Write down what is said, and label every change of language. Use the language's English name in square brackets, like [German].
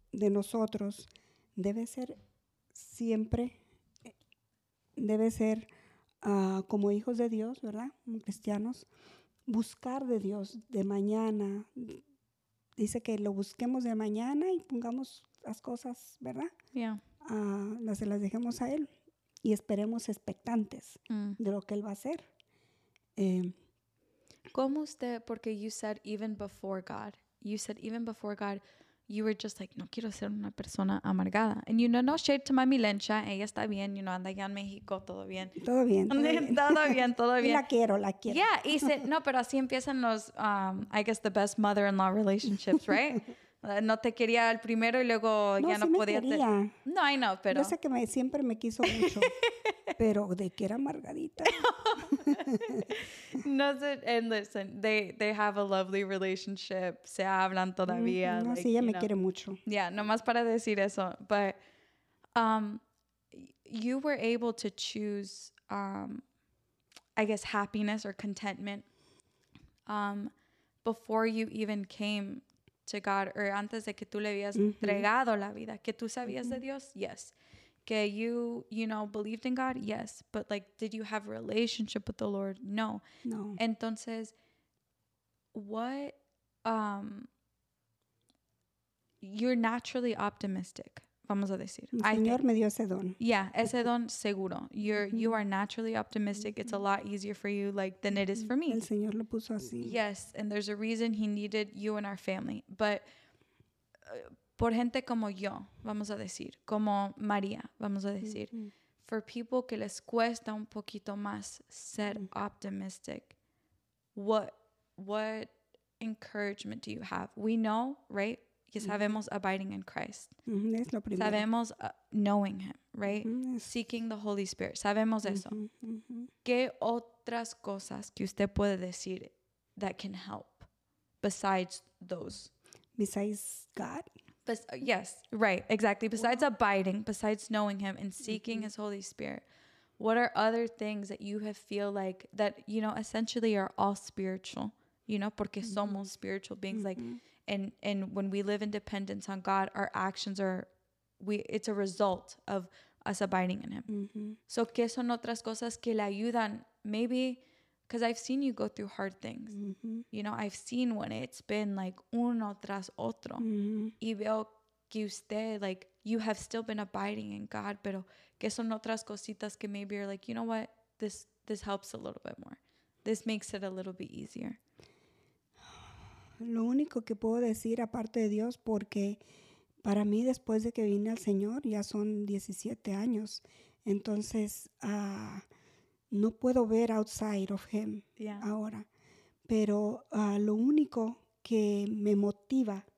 [Spanish] de nosotros debe ser siempre, debe ser como hijos de Dios, ¿verdad? Como cristianos, buscar de Dios de mañana. Dice que lo busquemos de mañana y pongamos las cosas, ¿verdad? [English] Yeah. [Spanish] Las dejemos a Él y esperemos expectantes mm. de lo que Él va a hacer. ¿Cómo usted, porque [English] you said even before God, you said even before God, you were just like, [Spanish] no quiero ser una persona amargada. [English] And you know, no shade to Mami Lencha, [Spanish] ella está bien, [English] you know, [Spanish] anda allá en México, todo bien. Todo bien, todo bien. Todo bien, todo bien. La quiero, la quiero. Yeah, y se, no, pero así empiezan los, [English] I guess, the best mother-in-law relationships, right? [Spanish] No te quería el primero y luego no, ya no sí podía. No, quería. [English] No, I know, [Spanish] pero. Yo sé que siempre me quiso mucho, pero de que era amargadita. No sé, [English] and listen, they have a lovely relationship. [Spanish] Se hablan todavía. No, like, sí, ella me know. Quiere mucho. Yeah, nomás para decir eso. [English] But you were able to choose, I guess, happiness or contentment before you even came to God, or [Spanish] antes de que tú le habías [English] mm-hmm. [Spanish] entregado la vida, que tú sabías mm-hmm. de Dios, [English] yes. Que you, you know, believed in God, yes. But like, did you have a relationship with the Lord? [Spanish] No. No. [English] Entonces, what, you're naturally optimistic, [Spanish] vamos a decir. El Señor me dio ese don. [English] Yeah, [Spanish] ese don seguro. [English] You're, mm-hmm. you are naturally optimistic. Mm-hmm. It's a lot easier for you, like, than it is for me. [Spanish] El Señor lo puso así. [English] Yes, and there's a reason He needed you and our family. But, [Spanish] por gente como yo, vamos a decir, como María, vamos a decir, mm-hmm. [English] for people [Spanish] que les cuesta un poquito más ser mm-hmm. [English] optimistic, what encouragement do you have? We know, right? [Spanish] Que sabemos [English] mm-hmm. abiding in Christ. [Spanish] Mm-hmm. Es lo primero. Sabemos [English] knowing Him, right? Mm-hmm. Seeking the Holy Spirit. [Spanish] Sabemos [English] mm-hmm. [Spanish] eso. [English] Mm-hmm. [Spanish] ¿Qué otras cosas que usted puede decir [English] that can help besides those? Besides God? Yes, right, exactly. Besides well, abiding, besides knowing Him and seeking mm-hmm. His Holy Spirit, what are other things that you have feel like that, you know, essentially are all spiritual, you know, [Spanish] porque [English] mm-hmm. [Spanish] somos [English] spiritual beings, mm-hmm. like, and when we live in dependence on God, our actions are, it's a result of us abiding in Him. Mm-hmm. So, [Spanish] ¿qué son otras cosas que le ayudan? [English] Maybe, because I've seen you go through hard things. Mm-hmm. You know, I've seen when it's been like [Spanish] uno tras otro. Mm-hmm. Y veo que usted, [English] like, you have still been abiding in God, [Spanish] pero que son otras cositas que [English] maybe are like, you know what, this helps a little bit more. This makes it a little bit easier. [Spanish] Lo único que puedo decir aparte de Dios, porque para mí después de que vine al Señor, ya son 17 años. Entonces, no puedo ver [English] outside of Him yeah. [Spanish] ahora. Pero lo único que me motiva,